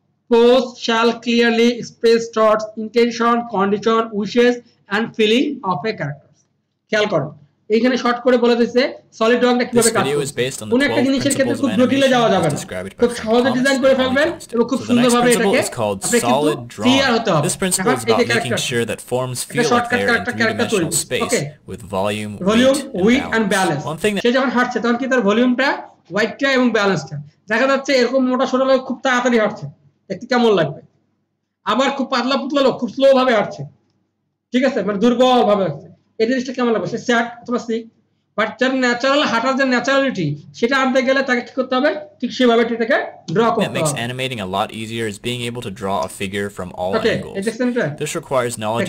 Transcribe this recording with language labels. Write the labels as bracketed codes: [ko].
[en] pose shall clearly express thoughts intention condition wishes and feeling of a character [bn] খেয়াল করো এইখানে short করে বলে দিতেছে solid drawing টা কিভাবে কাজ করে কোন একটা জিনিসের ক্ষেত্রে খুব জটিলে যাওয়া যাবে না খুব সহজে ডিজাইন করে ফেলবেন এবং খুব সুন্দরভাবে এটাকে আপনি solid drawing হতে হবে this [en] principle is about making sure that forms feel like they're in three-dimensional space with volume weight and balance [bn] সে যখন হাঁটছে তখন কি তার ভলিউমটা ওয়াইডটা এবং ব্যালেন্সটা দেখা যাচ্ছে এরকম মোটা সোটা লোক খুব তাড়াতাড়ি হাঁটছে দেখতে কেমন লাগবে আবার খুব পাতলা পুতলা লোক খুব স্লো ভাবে হাঁটছে ঠিক আছে মানে দুর্বল ভাবে এই জিনিসটা কেমন লাগবে সে স্যাট অথবা সিক বাট তার ন্যাচারাল হাঁটার যে ন্যাচারালিটি সেটা আনতে গেলে তাকে কি করতে হবে ঠিক সেভাবে এটাকে ড্র করতে হবে [en] That makes animating a lot easier is being able to draw a figure from all okay. angles. This requires knowledge.